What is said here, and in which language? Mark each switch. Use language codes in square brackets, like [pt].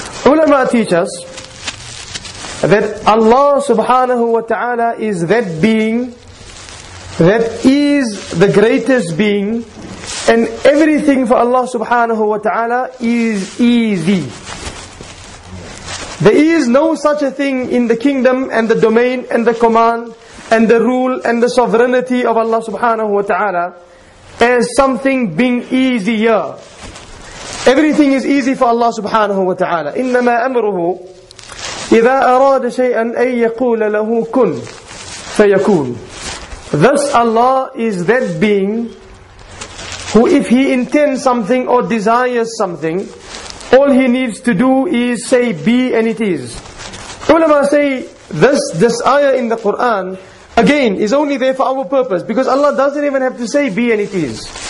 [en] Ulama teach us that Allah subhanahu wa ta'ala is that being that is the greatest being, and everything for Allah subhanahu wa ta'ala is easy. There is no such a thing in the kingdom and the domain and the command and the rule and the sovereignty of Allah subhanahu wa ta'ala as something being easier. Everything is easy for Allah subhanahu wa ta'ala. [ar] إِنَّمَا أَمْرُهُ إِذَا أَرَادَ شَيْئًا أَن يَقُولَ لَهُ كُنْ فَيَكُونَ. [en] Thus Allah is that being who, if He intends something or desires something, all He needs to do is say, be, and it is. Ulama say, this ayah in the Quran, again, is only there for our purpose, because Allah doesn't even have to say, be, and it is.